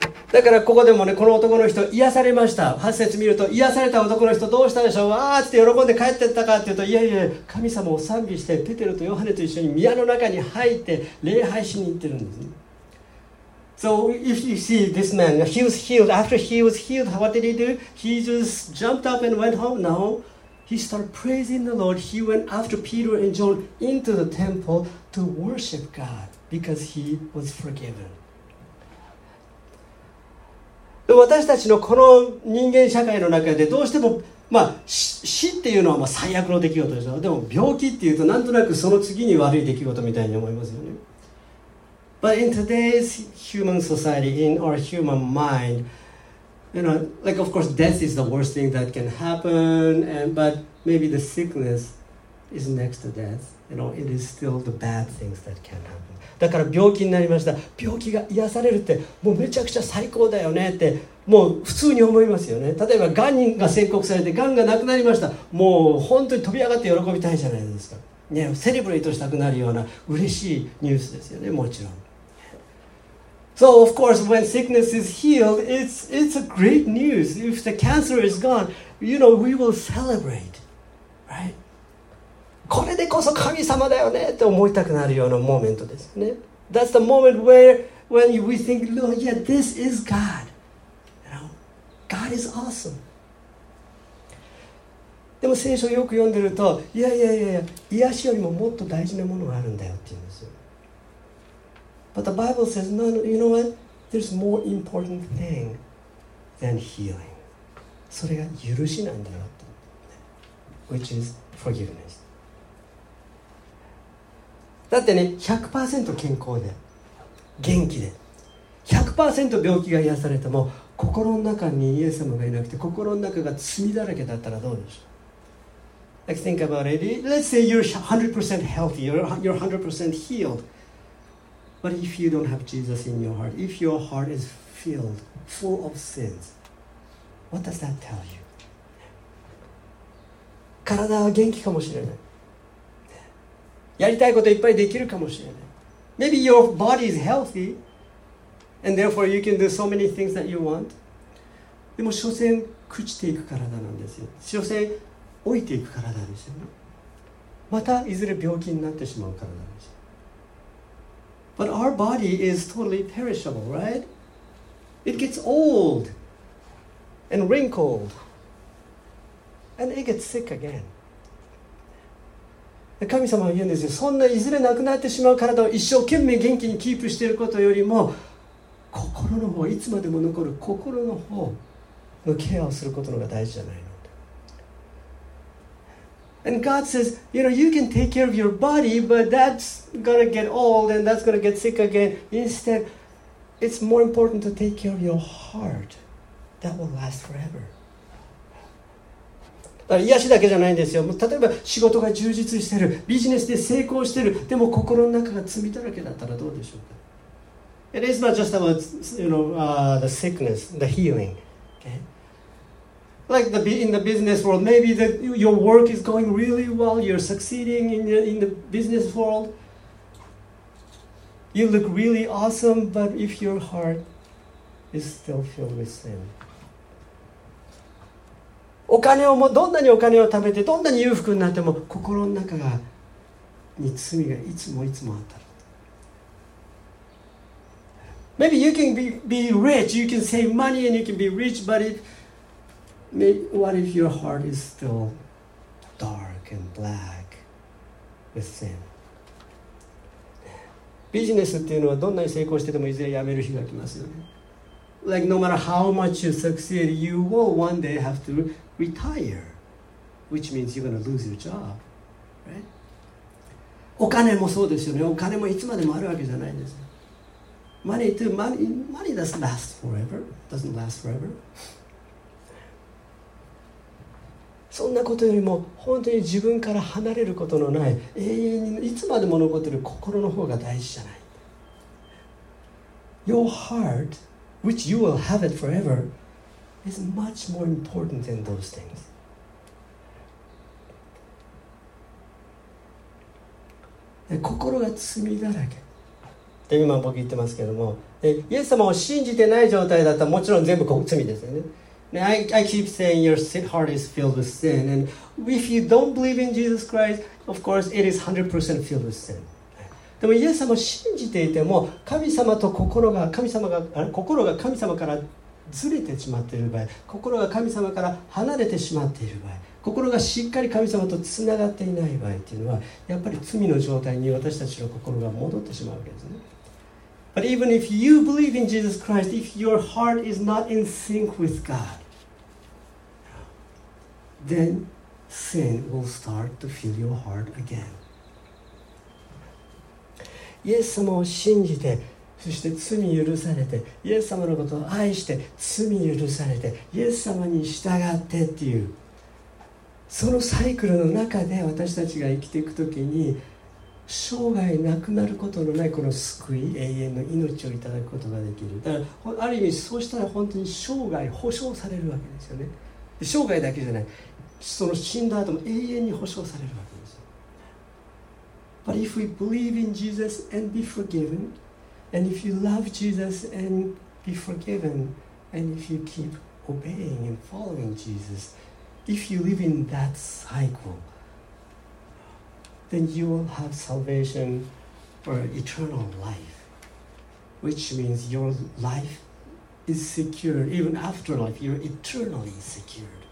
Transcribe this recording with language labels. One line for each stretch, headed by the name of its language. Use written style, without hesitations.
Japanese: だからここでもね、この男の人癒されました。8節見ると、癒された男の人どうしたでしょう。わーって喜んで帰ってったかって言うと、いやいや、神様を賛美してペテロとヨハネと一緒に宮の中に入って礼拝しに行ってるんですね。
English: So if you see this man, he was healed. After he was healed, what did he do? He just jumped up and went home. No, he started praising the Lord. He went after Peter and John into the temple to worship God because he was forgiven.
Japanese: 私たちのこの人間社会の中でどうしても、まあ、死っていうのはまあ最悪の出来事でしょう。でも病気っていうとなんとなくその次に悪い出来事みたいに思いますよね。
English: But in today's human society, in our human mind, you know, like of course death is the worst thing that can happen, and but maybe the sickness is next to death. You know, it is still the bad things that can happen.
Japanese: だから病気になりました。病気が癒されるってもうめちゃくちゃ最高だよねってもう普通に思いますよね。例えば癌が宣告されて癌がなくなりました。もう本当に飛び上がって喜びたいじゃないですか。ね、セレブレートしたくなるような嬉しいニュースですよね、もちろん。
English: So of course when sickness is healed, it's a great news. If the cancer is gone, you know, we will celebrate, right?
Japanese: これでこそ神様だよねって思いたくなるようなモーメントですね。
English: That's the moment when we think, Lord, yeah, this is God. You know, God is awesome.
Japanese: でも聖書をよく読んでると、いやいやいやいや、癒しよりももっと大事なものがあるんだよって言うんですよ。
English: But the Bible says, no, no, you know what? There's more important thing than healing.
Japanese: それが許しなんだよって。
English: Which is forgiveness.
Japanese: だってね、100% 健康で、元気で、100% 病気が癒されても、心の中にイエス様がいなくて、心の中が罪だらけだったらどうでしょう。
English: Like think about it. Let's say you're 100% healthy, you're 100% healed. But if you don't have Jesus in your heart, if your heart is filled, full of sins, what does that tell you?
Japanese: 体は元気かもしれない。やりたいこといっぱいできるかもしれない。
English: Maybe your body is healthy, and therefore you can do so many things that you want.
Japanese: でも所詮朽ちていく体なんですよ。所詮老いていく体ですよね。またいずれ病気になってしまう体ですよ。
English: But our body is totally perishable, right? It gets old and wrinkled and it gets sick again.
Japanese: 神様は言うんですよ。そんないずれ亡くなってしまう体を一生懸命元気にキープしていることよりも、心の方、いつまでも残る心の方のケアをすることのが大事じゃないの。
English: And God says, you know, you can take care of your body, but that's gonna get old and that's gonna get sick again. Instead, it's more important to take care of your heart. That will last forever.
Japanese: 癒しだけじゃないんですよ。例えば仕事が充実してる、ビジネスで成功してる、でも心の中が罪だらけだったらどうでしょうか。
English: It is not just about, you know, the sickness, the healing. Okay. Like in the business world, maybe your work is going really well, you're succeeding in the business world. You look really awesome, but if your heart is still filled with sin.
Japanese: お金をもどんなにお金を貯めてどんなに裕福になっても心の中がに罪がいつもいつもあったら、
English: Maybe you can be rich, you can save money and you can be rich, but what if your heart is still dark and black with sin?
Japanese: ビジネスっていうのはどんなに成功しててもいずれ辞める日が来ますよね。
English: Like no matter how much you succeed, you will one day have to retire, which means you're going to lose your job, right?
Japanese: お金もそうですよね。お金もいつまでもあるわけじゃないんです。
English: Money too. Money doesn't last forever. Doesn't last forever.
Japanese: そんなことよりも本当に自分から離れることのない永遠にいつまでも残っている心の方が大事じゃない。
English: Your heart. Which you will have it forever is much more important than those things.
Japanese: で、心が罪だらけで今僕言ってますけども、でイエス様を信じてない状態だったらもちろん全部罪ですよね。
English: I keep saying your heart is filled with sin, and if you don't believe in Jesus Christ, of course it is 100% filled with sin.
Japanese: でもイエス様を信じていても神様と心が神様が心が神様からずれてしまっている場合、心が神様から離れてしまっている場合、心がしっかり神様とつながっていない場合というのは、やっぱり罪の状態に私たちの心が戻ってしまうわけですね。
English: But even if you believe in Jesus Christ, if your heart is not in sync with God, then sin will start to fill your heart again.
Japanese: イエス様を信じて、そして罪許されて、イエス様のことを愛して罪許されて、イエス様に従ってっていう、そのサイクルの中で私たちが生きていくときに、生涯なくなることのないこの救い、永遠の命をいただくことができる。だからある意味そうしたら本当に生涯保証されるわけですよね。生涯だけじゃない、その死んだ後も永遠に保証されるわけ。
English: But if we believe in Jesus and be forgiven, and if you love Jesus and be forgiven, and if you keep obeying and following Jesus, if you live in that cycle, then you will have salvation or eternal life, which means your life is secured, even after life, you're eternally secured.